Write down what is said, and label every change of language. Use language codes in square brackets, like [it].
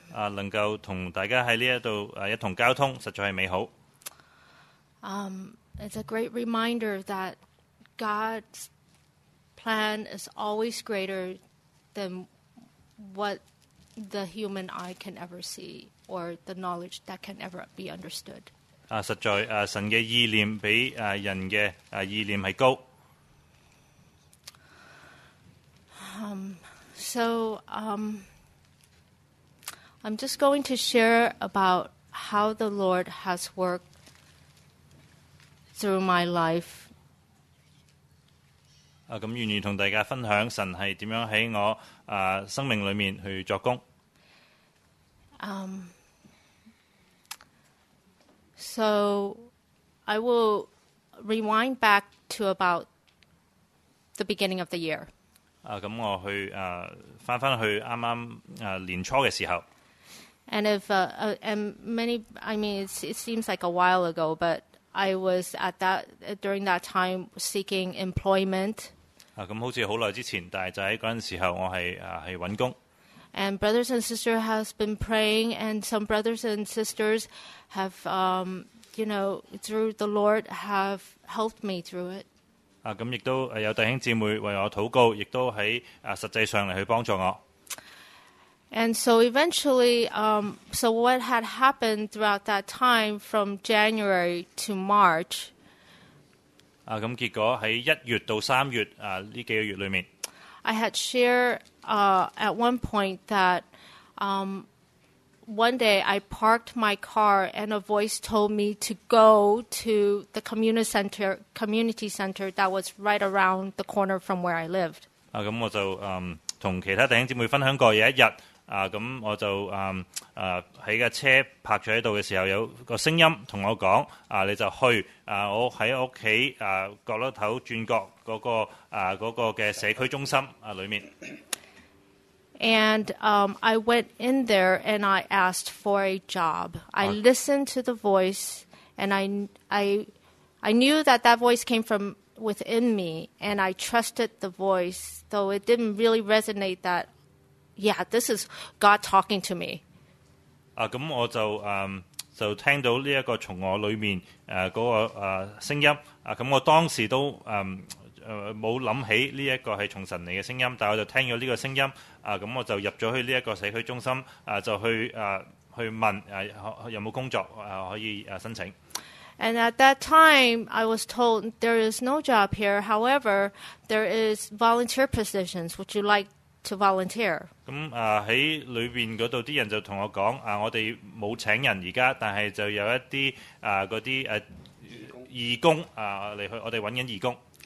[yue] 能够同大家喺呢一度一同交通，实在系美好。 [en] It's a great reminder that God's plan is always greater than what the human eye can ever see or the knowledge that can ever be understood. [yue] 實在神嘅意念比人嘅意念係高。 [en] I'm just going to share about how the Lord has worked through my life. [yue] 咁願意同大家分享神係點樣喺我生命裡面去作工。 [en] So I will rewind back to about the beginning of the year. [yue] 咁我去翻去啱年初嘅时候。 [en] And if it seems like a while ago, but I was during that time seeking employment. [yue] 咁好似好耐之前，但系就喺嗰阵时候，我系去揾工。 [en] And brothers and sisters has been praying, and some brothers and sisters have, through the Lord have helped me through it. [yue] 咁亦都有弟兄姊妹为我祷告，亦都喺实际上嚟去帮助我。 [en] And so eventually, so what had happened throughout that time from January to March? [yue] 咁结果喺一月到三月呢几个月里面。 [en] I had shared at one point that one day I parked my car and a voice told me to go to the community center that was right around the corner from where I lived. [yue] 咁我就同其他弟兄姊妹分享过有一日咁我就喺架车泊咗喺度嘅时候，有个声音同我讲你就去我喺屋企角落头转角嗰个嘅社区中心里面。 [en] And I went in there and I asked for a job. I listened to the voice and I knew that voice came from within me and I trusted the voice, though it didn't really resonate that, yeah, this is God talking to me. [yue] 咁我就听到呢一个从我里面嗰个声音咁我当时都冇諗起呢一个系从神嚟嘅声音，但我就听咗呢个声音咁我就入咗去呢一个社区中心就去去问有冇工作可以申请。 [en] And at that time, I was told there is no job here. However, there is volunteer positions. Would you like to volunteer? [yue] 咁喺里边嗰度啲人就同我讲我哋冇请人而家，但系就有一啲嗰啲义工嚟去，我哋揾紧义工。